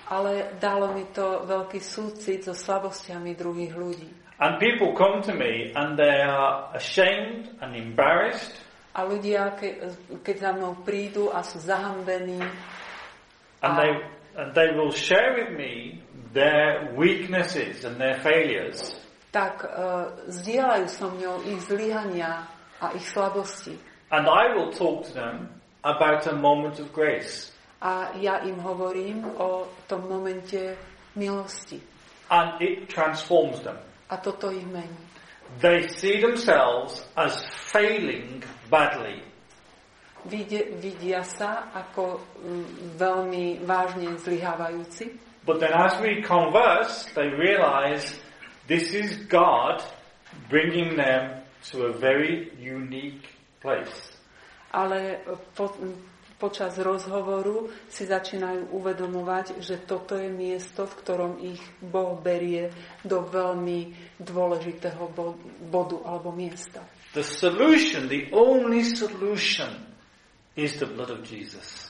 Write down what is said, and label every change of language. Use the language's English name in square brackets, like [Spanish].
[Slovak] Ale dalo mi to veľký súcit so slabosťami druhých ľudí. [English] And people come to me and they are ashamed and embarrassed. [Slovak] A ľudia, keď za mnou prídu a sú zahambení. [English] And they will share with me their weaknesses and their failures. [Slovak] Tak zdieľajú so mnou ich zlyhania a ich slabosti. [English] And I will talk to them about a moment of grace. [Slovak] A ja im hovorím o tom momente milosti. [English] And it transforms them. [Slovak] A toto ich mení. [English] They see themselves as failing badly. [Slovak] Vidia sa ako veľmi vážne zlyhávajúci. [English] But then as we converse, they realize this is God bringing them to a very unique place. [Slovak] Ale počas rozhovoru si začínajú uvedomovať, že toto je miesto, v ktorom ich Boh berie do veľmi dôležitého bodu alebo miesta. [English] The solution, the only solution is the blood of Jesus.